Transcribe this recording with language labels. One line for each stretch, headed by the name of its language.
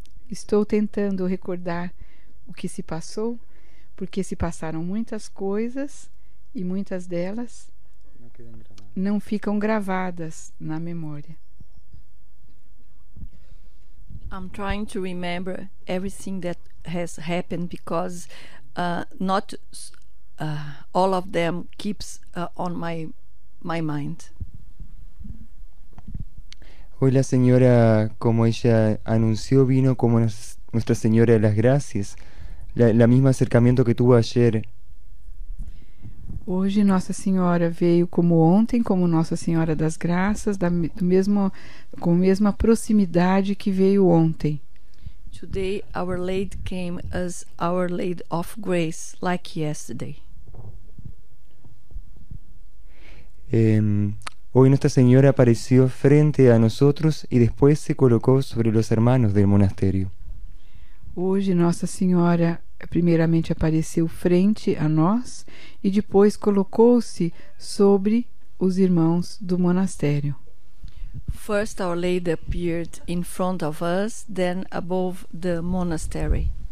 Portuguese: Estou tentando recordar o que se passou, porque se passaram muitas coisas e muitas delas não ficam gravadas na memória.
English: I'm trying to remember everything that has happened because not all of them keeps on my mind.
Spanish: Hoy la señora, como ella anunció, vino como Nuestra Señora de las Gracias, la misma acercamiento que tuvo ayer.
Portuguese: Hoje Nossa Senhora veio como ontem, como Nossa Senhora das Graças, com a mesma proximidade que veio ontem.
English: Today Our Lady came as Our Lady of Grace, like yesterday.
Spanish: Hoy Nuestra Señora apareció frente a nosotros y después se colocó sobre los hermanos del monasterio.
Portuguese: Hoje Nossa Senhora primeiramente apareceu frente a nós e depois colocou-se sobre os irmãos do monastério.
English: First Our Lady appeared in front of us, then above the monastery.